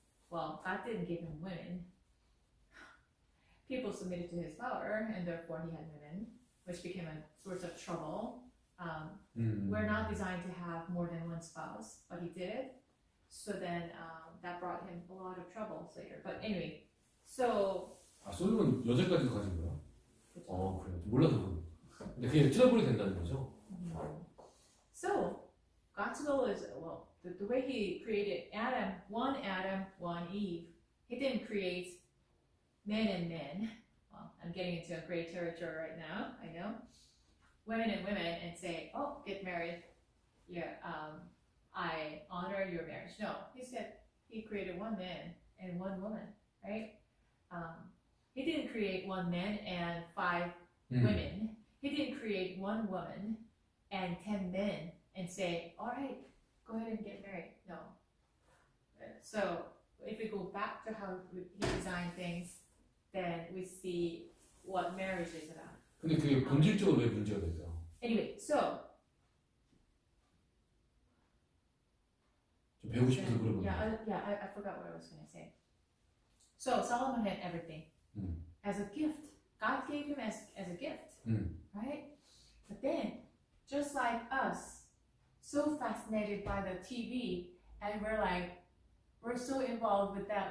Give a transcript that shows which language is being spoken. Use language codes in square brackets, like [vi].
[en] Well, God didn't give him women. People submitted to his power, and therefore he had women, which became a source of trouble. We're not designed to have more than one spouse, but he did. So then that brought him a lot of troubles later. But anyway, so... [ko] 아, 솔로몬 여자까지 가진 거야? 그래요. 몰라서 그런 거. 근데 그게 트러블이 된다는 거죠? [en] So, God's goal is, well, the way he created Adam, one Eve, he didn't create men and men. Well, I'm getting into a great territory right now, I know. Women and women and say, oh, get married. Yeah, I honor your marriage. No, he said he created one man and one woman, right? He didn't create one man and 5 women. He didn't create one woman and 10 men and say, all right, go ahead and get married. No. So if we go back to how he designed things, then we see what marriage is about. [ko] 근데 그게 본질적으로 왜 문제가 되죠? [en] Anyway, so. [ko] 좀 배우고 싶어서 물어보는 거예요. [en] Yeah, I forgot what I was going to say. So Solomon had everything. As a gift. God gave him as a gift, right? But then, just like us, so fascinated by the TV, and we're like, we're so involved with that.